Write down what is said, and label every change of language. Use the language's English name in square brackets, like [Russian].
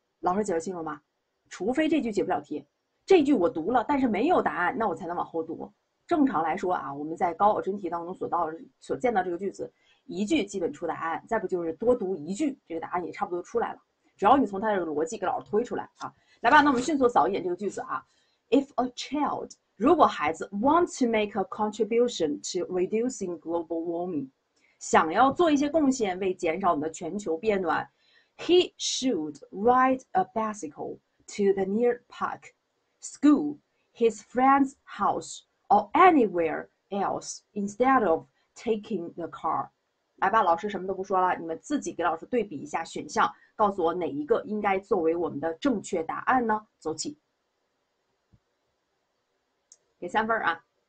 [Chinese] 老师解释清楚吗？除非这句解不了题，这句我读了，但是没有答案，那我才能往后读。正常来说啊，我们在高考真题当中所见到这个句子，一句基本出答案，再不就是多读一句，这个答案也差不多出来了。只要你从它的逻辑给老师推出来啊，来吧，那我们迅速扫一眼这个句子啊。 [English] If a child， [Chinese] 如果孩子 [English] want to make a contribution to reducing global warming， [Chinese] 想要做一些贡献为减少我们的全球变暖， [English] he should ride a bicycle to the near park, school, his friend's house, or anywhere else instead of taking the car。 [Chinese] 来吧，老师什么都不说了，你们自己给老师对比一下选项，告诉我哪一个应该作为我们的正确答案呢？走起。给三分啊！